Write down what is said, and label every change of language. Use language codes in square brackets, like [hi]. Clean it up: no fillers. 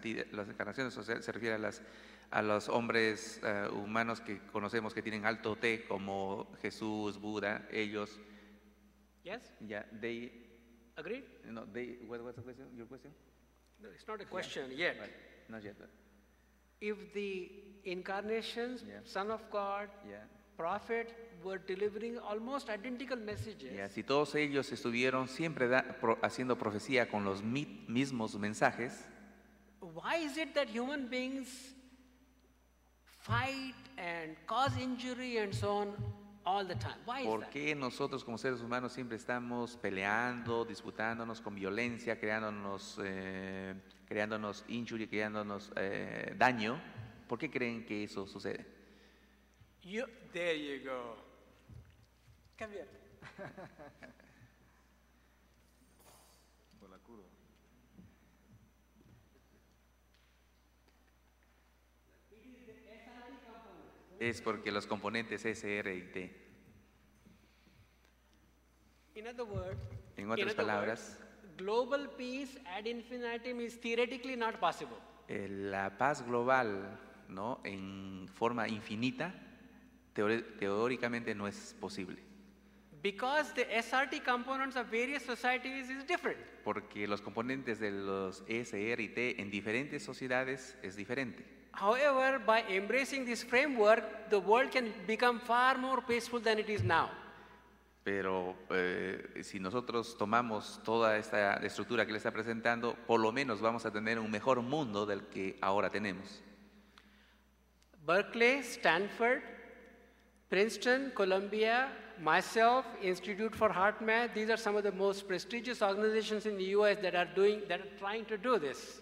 [es] Las encarnaciones, o sea, se refiere a los hombres humanos que conocemos que tienen alto T como Jesús, Buda, ellos, [en] yes, yeah, they. Agreed? No, they, what was the question, your question? No, it's not a question yet. Right. Not yet. If the incarnations, Son of God, Prophet, were delivering almost identical messages. [es] Yeah, si todos ellos estuvieron siempre haciendo profecía con los mismos mensajes. [en] Why is it that human beings fight and cause injury and so on? All the time. Why is that? [es] ¿Por qué nosotros como seres humanos siempre estamos peleando, disputándonos con violencia, creándonos injury, creándonos daño? ¿Por qué creen que eso sucede? [en] There you go. [es] Cambia. Por la curva. Es porque los componentes S, R y T. [en] In other word, [es] en otras palabras, [en] global peace ad infinitum is theoretically not possible. [es] La paz global, ¿no?, en forma infinita, teóricamente no es posible. [en] Because the SRT components of various societies is different. [es] Porque los componentes de los S, R y T en diferentes sociedades es diferente. [en] However, by embracing this framework, the world can become far more peaceful than it is now. [es] Pero si nosotros tomamos toda esta estructura que le está presentando, por lo menos vamos a tener un mejor mundo del que ahora tenemos. [en] Berkeley, Stanford, Princeton, Columbia, myself, Institute for HeartMath, these are some of the most prestigious organizations in the US that are trying to do this.